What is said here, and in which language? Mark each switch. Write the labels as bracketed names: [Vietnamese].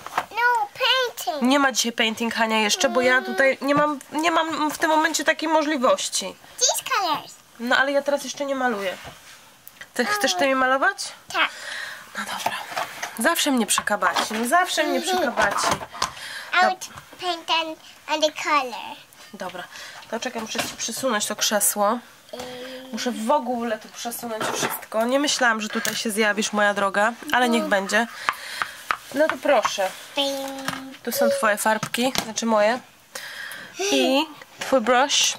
[English] No, painting. [Polish] Nie ma dzisiaj painting, Hania, jeszcze, bo ja tutaj nie mam w tym momencie takiej możliwości. [English] These colors. [Polish] No, ale ja teraz jeszcze nie maluję. Ty chcesz tymi malować? Tak. No dobra. Zawsze mnie przekabaci. No zawsze mnie przekabaci. [English] I would paint them on the color. [Polish] Dobra. To czekam, muszę ci przysunąć to krzesło. Muszę w ogóle tu przesunąć wszystko. Nie myślałam, że tutaj się zjawisz, moja droga, ale niech będzie. No to proszę. Tu są twoje farbki, znaczy moje. I twój brush.